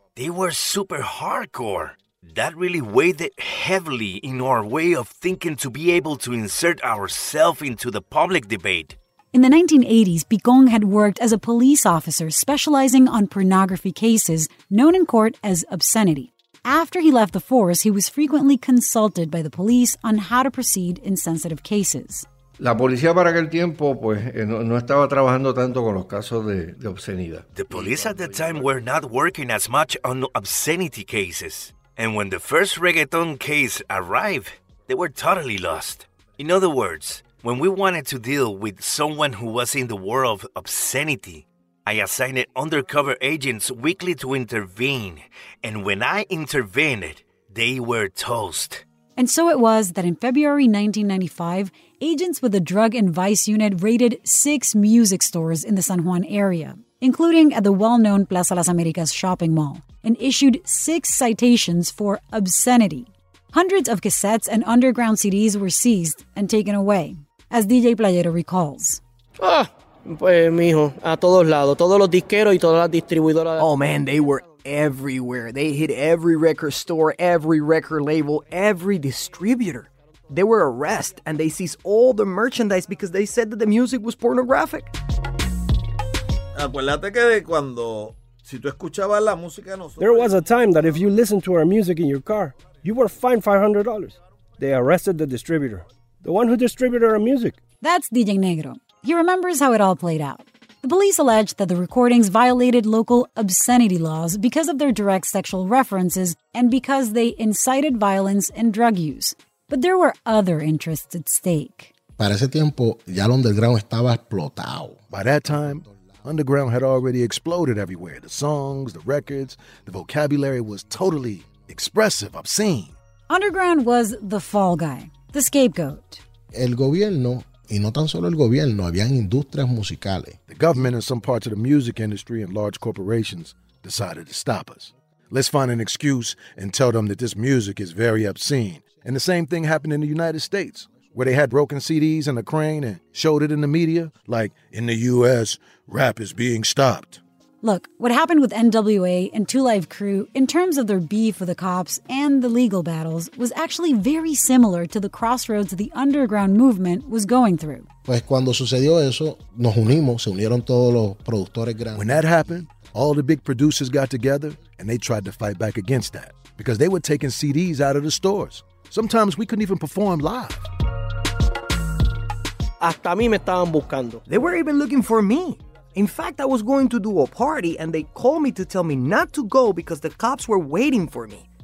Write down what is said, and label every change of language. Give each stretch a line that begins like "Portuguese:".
English: They were super hardcore. That really weighed heavily in our way of thinking to be able to insert ourselves into the public debate. In the 1980s, Picón had worked as a police officer specializing on pornography cases known in court as obscenity. After he left the force, he was frequently consulted by the police on how to proceed in sensitive cases.
Spanish: La policía para aquel tiempo, pues, no estaba trabajando tanto con los casos de obscenidad.
English: The police at the time were not working as much on obscenity cases. And when the first reggaeton case arrived, they were totally lost. In other words, when we wanted to deal with someone who was in the world of obscenity, I assigned undercover agents weekly to intervene. And when I intervened, they were toast. And so it was that in February 1995, agents with the Drug and Vice Unit raided 6 music stores in the San Juan area, including at the well-known Plaza Las Americas shopping mall, and issued 6 citations for obscenity. Hundreds of cassettes and underground CDs were seized and taken away, as DJ Playero recalls.
Spanish: Ah, pues, mijo, a todos lados, todos los disqueros y todas las distribuidoras.
English: Oh, man, they were everywhere. They hit every record store, every record label, every distributor. They were arrested and they seized all the merchandise because they said that the music was pornographic. There was a time that if you listened to our music in your car, you were fined $500. They arrested the distributor, the one who distributed our music. That's DJ Negro. He remembers how it all played out. The police alleged that the recordings violated local obscenity laws because of their direct sexual references and because they incited violence and drug use. But there were other interests at stake.
Spanish: Para ese tiempo, ya el underground estaba explotado.
English: By that time, underground had already exploded everywhere. The songs, the records, the vocabulary was totally expressive, obscene. Underground was the fall guy, the scapegoat.
Spanish: El gobierno, y no tan solo el gobierno, habían industrias musicales.
English: The government and some parts of the music industry and large corporations decided to stop us. Let's find an excuse and tell them that this music is very obscene. And the same thing happened in the United States, where they had broken CDs and a crane and showed it in the media. Like, in the U.S., rap is being stopped. Look, what happened with N.W.A. and 2 Live Crew, in terms of their beef with the cops and the legal battles, was actually very similar to the crossroads the underground movement was going through.
Spanish: Pues cuando sucedió eso, nos unimos, se unieron todos los productores grandes.
English: When that happened, all the big producers got together and they tried to fight back against that because they were taking CDs out of the stores. Sometimes we couldn't even perform live.
Spanish: Hasta a mí me estaban buscando.
English: They were even looking for me. In fact, I was going to do a party and they called me to tell me not to go because the cops were waiting for me.